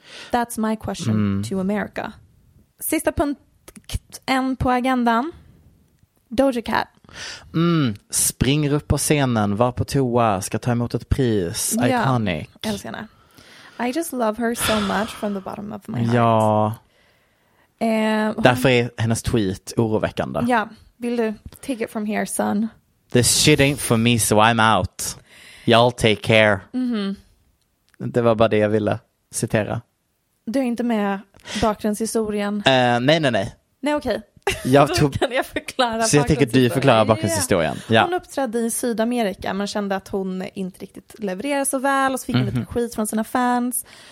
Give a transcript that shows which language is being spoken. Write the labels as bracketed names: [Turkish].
[English] That's my question to America. [Swedish] Sista punkten på agendan. Doja Cat. Springer upp på scenen, var på toa, ska ta emot ett pris. [English] Iconic. [Swedish] Ja, älskar henne. [English] I just love her so much from the bottom of my heart. [Swedish] Ja. Därför är hennes tweet oroväckande. Ja, vill du [English] take it from here, son? This shit ain't for me, so I'm out. Y'all take care. [Swedish] Det var bara det jag ville citera. Du är inte med bakgrundshistorien. Nej. Nej, okej. Okay. Jag tog... kan jag förklara. Så jag tänker du förklara bakgrundshistorien. Ja. Hon uppträdde i Sydamerika men kände att hon inte riktigt levererade så väl och så fick lite skit från sina fans.